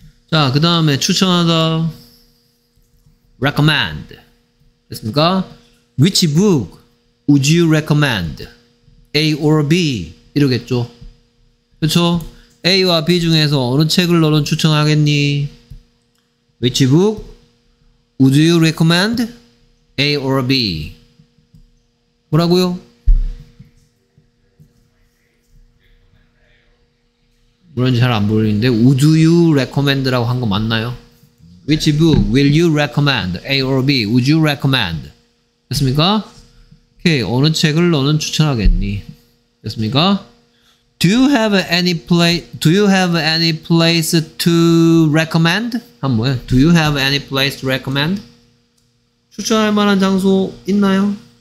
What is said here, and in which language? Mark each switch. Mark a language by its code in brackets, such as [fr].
[ko] 자, 그 다음에 추천하다 recommend 됐습니까? [en] Which book would you recommend? A or B [ko] 이러겠죠. 그렇죠? A와 B 중에서 어느 책을 너는 추천하겠니? [en] Which book would you recommend A or B? [ko] 뭐라고요? 뭐라는지 잘 안 보이는데 [en] Would you recommend [ko] 라고 한 거 맞나요? [en] Which book will you recommend A or B? Would you recommend? [ko] 됐습니까? Okay. 어느 책을 너는 추천하겠니? 됐습니까? [en] Do you have any place? Do you have any place to recommend? [ko] 한 뭐야? [en] Do you have any place to recommend? [ko] 추천할 만한 장소 있나요?